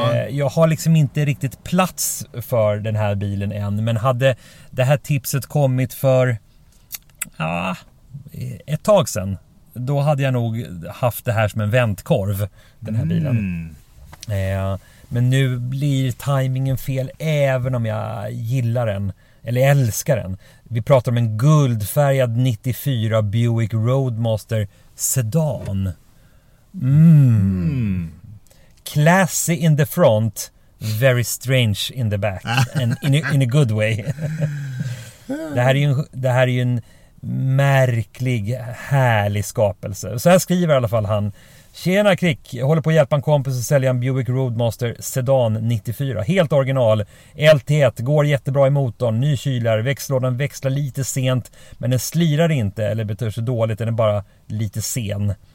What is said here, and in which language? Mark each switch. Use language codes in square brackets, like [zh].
[sv] Jag har liksom inte riktigt plats för den här bilen än, men hade det här tipset kommit för ett tag sedan, då hade jag nog haft det här som en väntkorv, den här bilen. Men nu blir tajmingen fel även om jag gillar den. Eller älskar den. Vi pratar om en guldfärgad 94 Buick Roadmaster sedan. [en] Classy in the front, very strange in the back. And in a good way. [sv] Det här är ju en märklig, härlig skapelse. Så här skriver i alla fall han. Tjena Krick, jag håller på att hjälpa en kompis att sälja en Buick Roadmaster sedan 94. Helt original, LT1, går jättebra i motorn, ny kylare, växellådan växlar lite sent, men den slirar inte eller beter sig dåligt, den är bara lite sen.